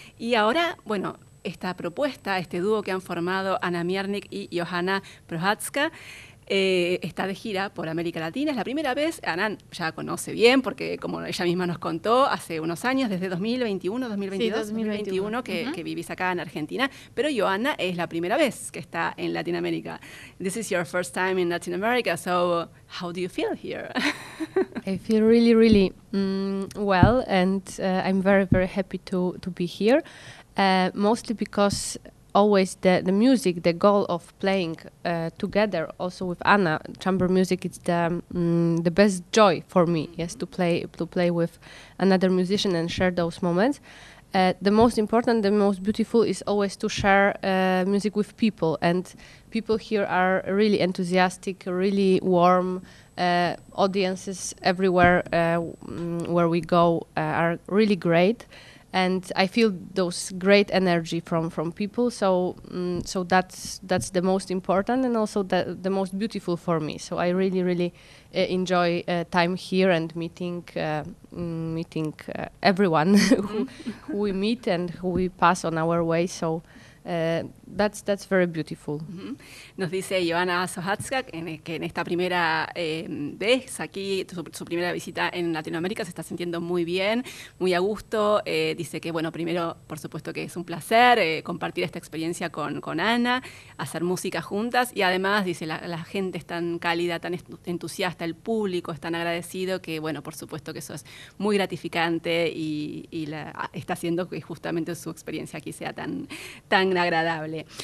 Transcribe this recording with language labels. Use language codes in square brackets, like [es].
[es] Y ahora, bueno, esta propuesta, este dúo que han formado Ana Miernik y Johanna Prohatska, está de gira por América Latina. Es la primera vez, Ana ya conoce bien, porque como ella misma nos contó, hace unos años, desde 2021, 2022, sí, 2021. Que vivís acá en Argentina, pero Johanna es la primera vez que está en Latinoamérica. [en] This is your first time in Latin America, so how do you feel here? I feel really, really well, and I'm very, very happy to be here, mostly because always the music, the goal of playing together also with Anna, chamber music, it's the best joy for me, yes, to play with another musician and share those moments. The most important, the most beautiful is always to share music with people, and people here are really enthusiastic, really warm. Audiences everywhere where we go are really great. And I feel those great energy from people, so that's the most important and also the most beautiful for me. So I really, really enjoy time here and meeting everyone who we meet and who we pass on our way. So that's very beautiful. Mm-hmm. [es] Nos dice Johanna Sohatska que en esta primera vez aquí, su primera visita en Latinoamérica, se está sintiendo muy bien, muy a gusto. Dice que, bueno, primero, por supuesto que es un placer compartir esta experiencia con Ana, hacer música juntas, y además, dice, la gente es tan cálida, tan entusiasta, el público es tan agradecido, que, bueno, por supuesto que eso es muy gratificante y está haciendo que justamente su experiencia aquí sea tan agradable.